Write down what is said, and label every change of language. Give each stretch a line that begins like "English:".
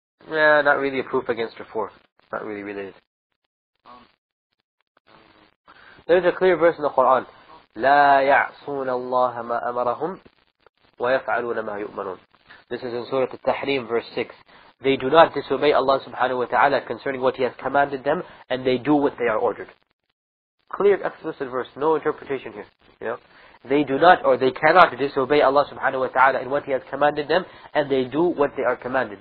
English: Yeah, not really a proof against a fourth. Not really related. There's a clear verse in the Quran.
Arabic: لا يعصون الله ما أمرهم ويفعلون ما يؤمرون.
English: This is in Surah Al-Tahrim, verse 6. They do not disobey Allah subhanahu wa ta'ala concerning what He has commanded them, and they do what they are ordered. Clear, explicit verse, no interpretation here. You know? They do not, or they cannot disobey Allah subhanahu wa ta'ala in what He has commanded them, and they do what they are commanded.